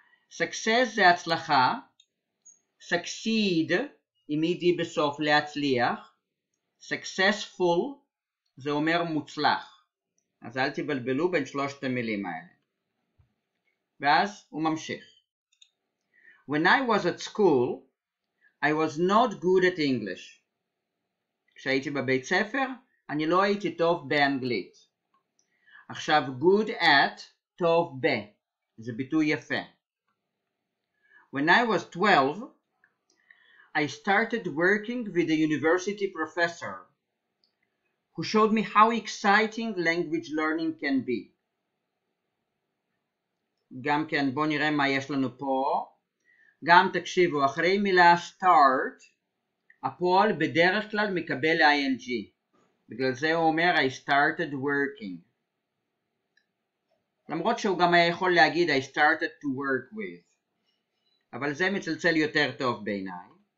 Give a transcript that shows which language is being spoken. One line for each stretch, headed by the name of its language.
Hebrew: Success זה הצלחה. Succeed, עם ED בסוף, להצליח. Successful, זה אומר מוצלח. אז אל תבלבלו בין שלושת המילים האלה. ואז הוא ממשיך.
English: When I was at school, I was not good at English.
Hebrew: כשהייתי בבית ספר, אני לא הייתי טוב באנגלית. עכשיו, good at, טוב ב. זה ביטוי יפה.
English: When I was 12, I started working with a university professor who showed me how exciting language learning can be.
Hebrew: גם כן, בוא נראה מה יש לנו פה. גם תקשיבו, אחרי מילה start, הפועל בדרך כלל מקבל ing. בגלל זה הוא אומר,
English: I started working.
Hebrew: למרות שהוא גם היה יכול להגיד,
English: I started to work with.
Hebrew: אבל זה מצלצל יותר טוב בעיניי.